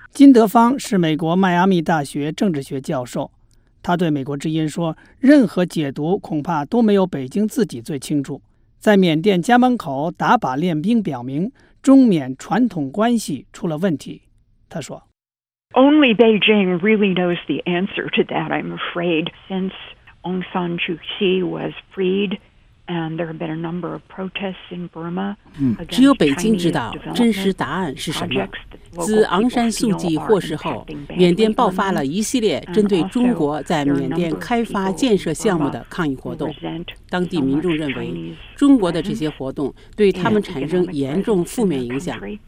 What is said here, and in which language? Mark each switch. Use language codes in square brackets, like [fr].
[zh] 金德芳是美国迈阿密大学政治学教授，他对美国之音说，任何解读恐怕都没有北京自己最清楚。在缅甸家门口打靶练兵表明中缅传统关系出了问题，他说 [en] Only Beijing really knows the answer to that, I'm afraid. Since Aung San Suu Kyi was freed, and there have been a number of protests in Burma. [zh] 只有北京知道真实答案是什么。自昂山素季获释后，缅甸爆发了一系列针对中国在缅甸开发建设项目的抗议活动。当地民众认为，中国的这些活动对他们产生严重负面影响。